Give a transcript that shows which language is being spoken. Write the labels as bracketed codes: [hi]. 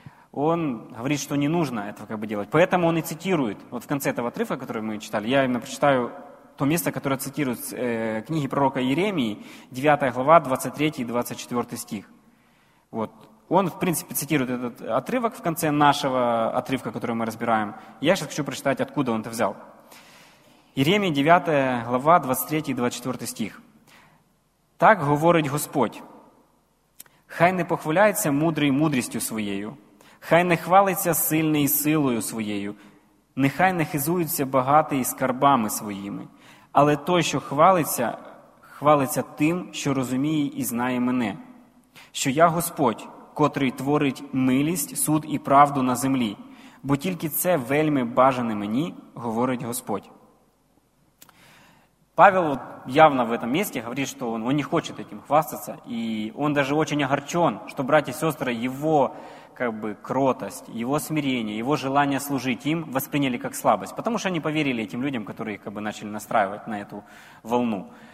[ru] Он говорит, что не нужно этого делать. Поэтому он и цитирует, вот в конце этого отрывка, который мы читали, я именно прочитаю то место, которое цитирует книги пророка Иеремии, 9 глава, 23 и 24 стих. Вот. Он, в принципе, цитирует этот отрывок в конце нашего отрывка, который мы разбираем. Я сейчас хочу прочитать, откуда он это взял. Иеремия, 9 глава, 23 и 24 стих. «Так говорит Господь, [uk] хай не похваляється мудрий мудрістю своєю, хай не хвалиться сильний силою своєю, нехай не хизуються багатий скарбами своїми, але той, що хвалиться тим, що розуміє і знає мене, що я Господь, котрий творить милість, суд і правду на землі, бо тільки це вельми бажане мені, говорить Господь». [ru] Павел явно в этом месте говорит, что он не хочет этим хвастаться, и он даже очень огорчен, что братья и сестры его кротость, его смирение, его желание служить им восприняли как слабость, потому что они поверили этим людям, которые их начали настраивать на эту волну.